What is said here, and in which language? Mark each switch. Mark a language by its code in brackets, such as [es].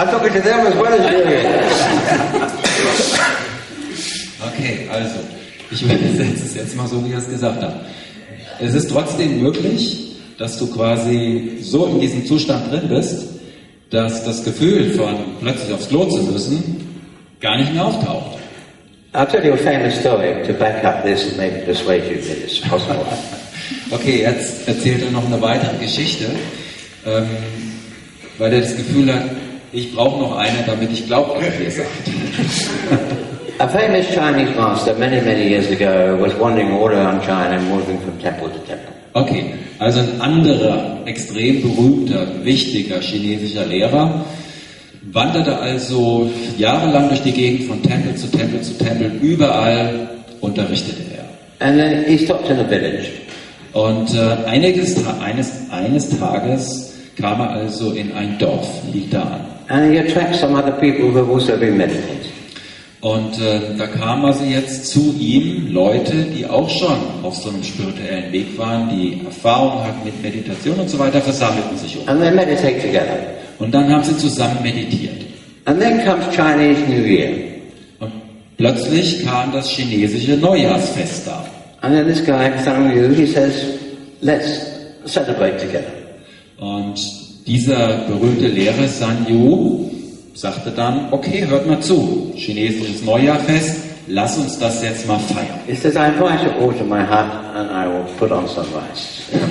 [en] I'm talking to them as well as you. [de] Okay, also, ich übersetze es jetzt mal so, wie ich es gesagt habe. Es ist trotzdem möglich, dass du quasi so in diesem Zustand drin bist, dass das Gefühl von plötzlich aufs Klo zu müssen gar nicht mehr auftaucht. [en] I'll tell you a famous story to back up this and maybe persuade you that it's possible. [de] Okay, jetzt erzählt er noch eine weitere Geschichte, weil er das Gefühl hat, ich brauche noch eine, damit ich glaube, was er hier sagt. [en] A famous Chinese master many, many years ago was wandering all around China moving from temple to temple. [de] Okay, also ein anderer, extrem berühmter, wichtiger chinesischer Lehrer wanderte also jahrelang durch die Gegend von Tempel zu Tempel zu Tempel, überall unterrichtete er. [en] And then he stopped in a village. [de] Und eines Tages kam er also in ein Dorf, hielt da an. [en] And he attracted some other people who have also been meditating. [de] Und da kamen also jetzt zu ihm Leute, die auch schon auf so einem spirituellen Weg waren, die Erfahrung hatten mit Meditation und so weiter, versammelten sich um. [en] And they meditate together. [de] Und dann haben sie zusammen meditiert. [en] And then comes Chinese New Year. [de] Und plötzlich kam das chinesische Neujahrsfest da. [en] And then this guy, Zhang Yu, he says, let's celebrate together. [de] Und dieser berühmte Lehrer Zhang Yu sagte dann, okay, hört mal zu, chinesisches Neujahrfest, lass uns das jetzt mal feiern. [en] He says, I invite you all to my hut and I will put on some rice.